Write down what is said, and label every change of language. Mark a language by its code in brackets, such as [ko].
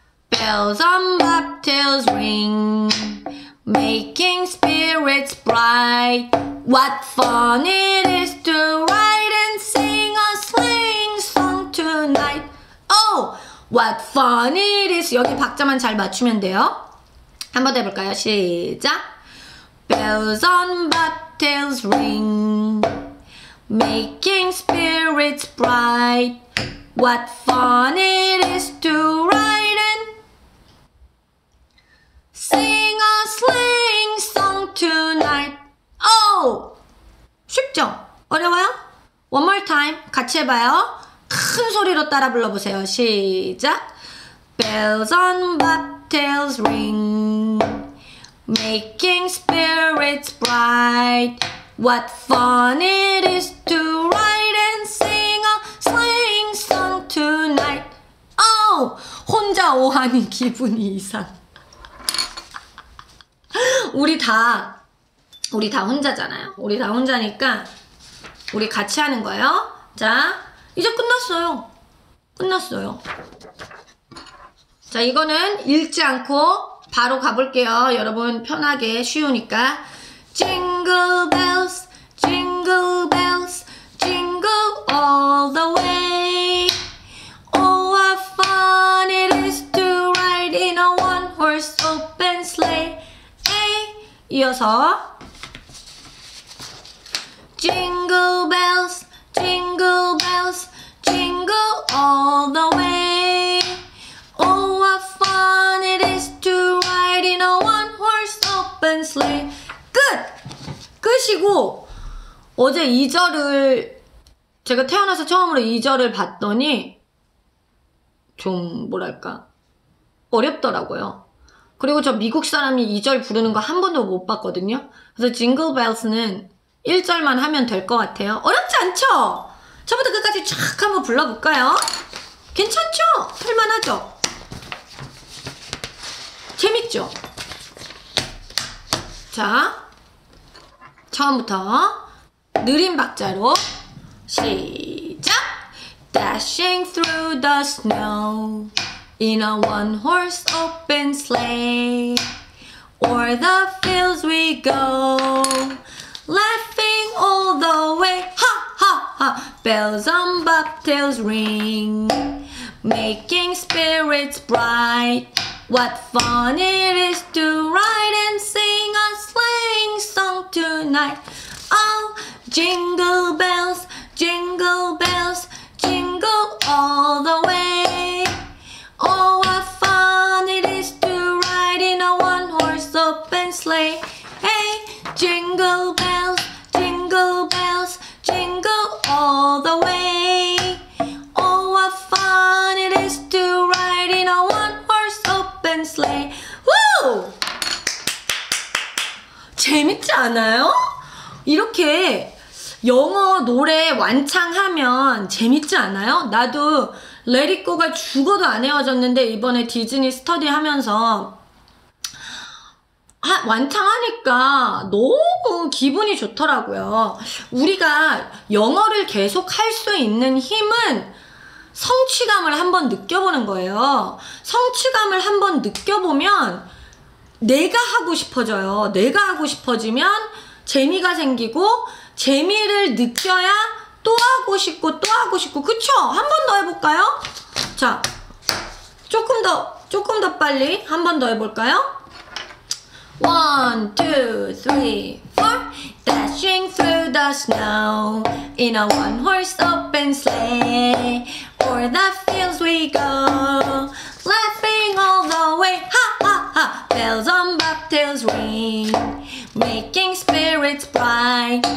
[en] Bells on bobtails ring, making spirits bright. What fun it is to ride and sing a sleighing song tonight. Oh, what fun it is. [ko] 여기 박자만 잘 맞추면 돼요. 한번 해볼까요? 시작. [en] Bells on bobtails ring, making spirits bright. What fun it is to ride and sing a sleighing song tonight. [ko] Oh, 쉽죠? 어려워요? [en] One more time, [ko] 같이 해봐요. 큰 소리로 따라 불러보세요. 시작. [en] Bells on bobtails ring. Making spirits bright. What fun it is to ride and sing a sleighing song tonight. [ko] Oh, 혼자 오하니 기분이 이상. 우리 다 혼자잖아요. 우리 다 혼자니까 우리 같이 하는 거예요. 자, 이제 끝났어요. 끝났어요. 자, 이거는 읽지 않고 바로 가볼게요. 여러분 편하게 쉬우니까. [en] Jingle bells, jingle bells, jingle all the way. Oh, what fun it is to ride in a one-horse open sleigh. Hey. [ko] 이어서 [en] Jingle bells, jingle bells, jingle all the way. Oh, what fun it is to ride in a one-horse open sleigh. [ko] 끝! 끝이고 어제 2절을 제가 태어나서 처음으로 2절을 봤더니 좀 뭐랄까 어렵더라고요. 그리고 저 미국 사람이 2절 부르는 거 한 번도 못 봤거든요. 그래서 Jingle Bells는 1절만 하면 될 것 같아요. 어렵지 않죠? 처음부터 끝까지 쫙 한번 불러볼까요? 괜찮죠? 할만하죠? 재밌죠? 자, 처음부터 느린 박자로 시작! [en] Dashing through the snow in a one-horse open sleigh, o'er the fields we go, laughing all the way. Ha ha ha! Bells on bobtails ring, making spirits bright. What fun it is to ride and sing a sleighing song tonight. Oh, jingle bells, jingle bells, jingle all the way. Oh, what fun it is to ride in a one-horse open sleigh. Hey, jingle bells, jingle bells, jingle all the way. Oh, what fun it is to ride in a one-horse open sleigh. Woo! [ko] 재밌지 않아요? 이렇게 영어 노래 완창하면 재밌지 않아요? 나도 Let It Go가 죽어도 안 헤어졌는데 이번에 디즈니 스터디 하면서 완창하니까 너무 기분이 좋더라고요. 우리가 영어를 계속 할 수 있는 힘은 성취감을 한번 느껴보는 거예요. 성취감을 한번 느껴보면 내가 하고 싶어져요. 내가 하고 싶어지면 재미가 생기고 재미를 느껴야 또 하고 싶고 또 하고 싶고 그쵸? 한 번 더 해볼까요? 자, 조금 더 빨리 한 번 더 해볼까요? [en] One, two, three, four. Dashing through the snow in a one-horse open sleigh, o'er the fields we go, laughing all the way. Ha ha ha! Bells on bobtails ring, making spirits bright.